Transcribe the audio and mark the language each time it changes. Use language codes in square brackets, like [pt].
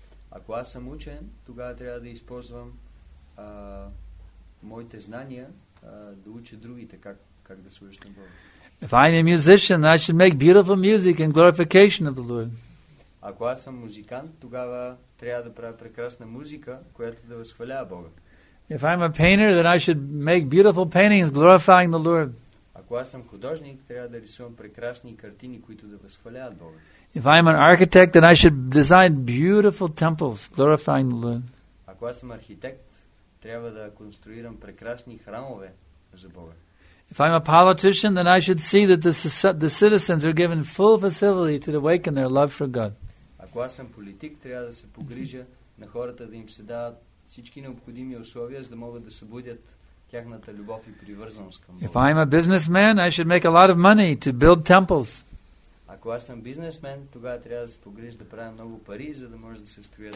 [bg] Ако аз съм учен, тогава трябва да използвам моите знания да уча другите как да служат на Бога. [en] If I'm a musician, then I should make beautiful music in glorification of the Lord. [bg] Ако аз съм музикант, тогава трябва да правя прекрасна музика, която да възхвалява Бога. [en] If I'm a painter, then I should make beautiful paintings glorifying the Lord. [bg] Ако аз съм художник, трябва да рисувам прекрасни картини, които да възхваляват Бога. [en] If I'm an architect, then I should design beautiful temples glorifying the Lord. [bg] Ако аз съм архитект, трябва да конструирам прекрасни храмове за Бога. [en] If I'm a politician, then I should see that the citizens are given full facility to awaken their love for God. [bg] Ако аз съм политик, трябва да се погрижа на хората да им се дават всички необходими условия, за да могат да събудят тяхната любов и привързаност към Бога. [en] If I'm a businessman, I should make a lot of money to build temples. [bg] Ако аз съм бизнесмен, тогава трябва да се погрижа да правя много пари, за да може да се строят.